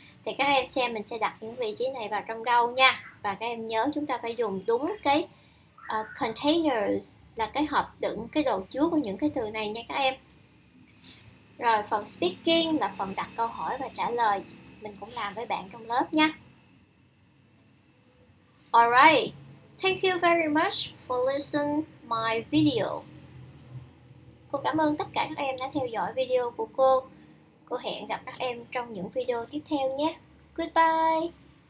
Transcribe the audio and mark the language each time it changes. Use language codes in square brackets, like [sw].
[vi] Thì các em xem mình sẽ đặt những vị trí này vào trong đâu nha. Và các em nhớ chúng ta phải dùng đúng cái containers, là cái hộp đựng cái đồ chứa của những cái từ này nha các em. Rồi, phần speaking là phần đặt câu hỏi và trả lời, mình cũng làm với bạn trong lớp nha. [en] Alright, thank you very much for listening my video. [vi] Cô cảm ơn tất cả các em đã theo dõi video của cô. Cô hẹn gặp các em trong những video tiếp theo nhé. Goodbye!